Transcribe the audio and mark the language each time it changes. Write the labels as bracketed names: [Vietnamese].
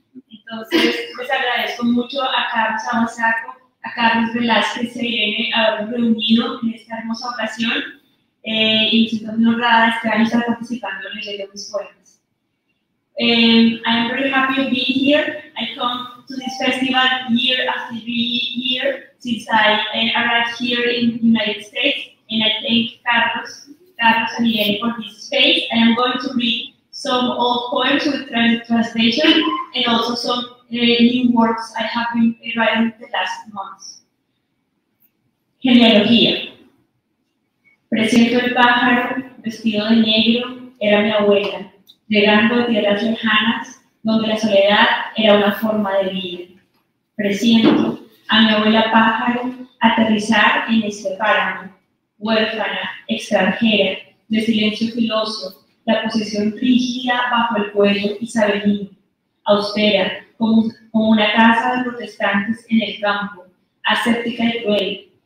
[Spanish] Entonces, pues agradezco mucho a Carlos Amasaco, a Carlos Velázquez, que se viene a haber reunido en esta hermosa ocasión, y me siento muy honrada este año estar participando en el Leyendo Mis Poemas. [English] I'm very happy to be here. I come to this festival year after year since I arrived here in the United States, and I thank Carlos and Irene for this space, and I'm going to read some old poems with translation and also some new works I have been writing the last months. [Spanish] Genealogía. Presento el pájaro vestido de negro, era mi abuela, llegando a tierras lejanas, donde la soledad era una forma de vida. Presiento a mi abuela pájaro aterrizar en este páramo, huérfana, extranjera, de silencio filoso, la posesión rígida bajo el cuello isabelino, austera, como una casa de protestantes en el campo, aséptica y cruel.